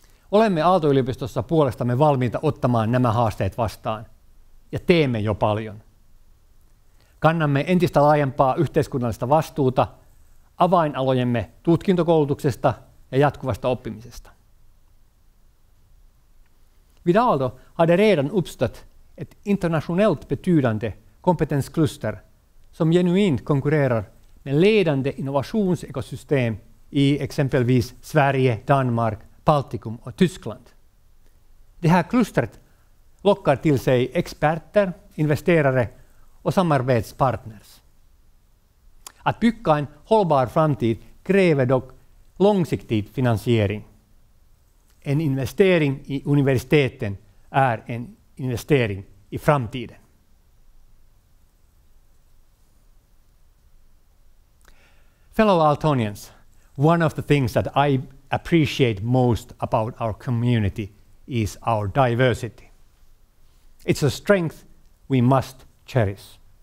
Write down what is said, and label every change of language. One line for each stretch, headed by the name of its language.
Finnish: Olemme Aalto-yliopistossa puolestamme valmiita ottamaan nämä haasteet vastaan, ja teemme jo paljon. Kannamme entistä laajempaa yhteiskunnallista vastuuta avainalojemme tutkintokoulutuksesta ja jatkuvasta oppimisesta.
Swedish: Vid Aalto hade redan uppstått ett internationellt betydande kompetenskluster som genuint konkurrerar med ledande innovationsekosystem i exempelvis Sverige, Danmark, Baltikum och Tyskland. Det här klustret lockar till sig experter, investerare och samarbetspartners. Att bygga en hållbar framtid kräver dock långsiktig finansiering. En investering i universiteten är en investering i framtiden.
English: Fellow Aaltonians, one of the things that I appreciate most about our community is our diversity. It's a strength we must cherish.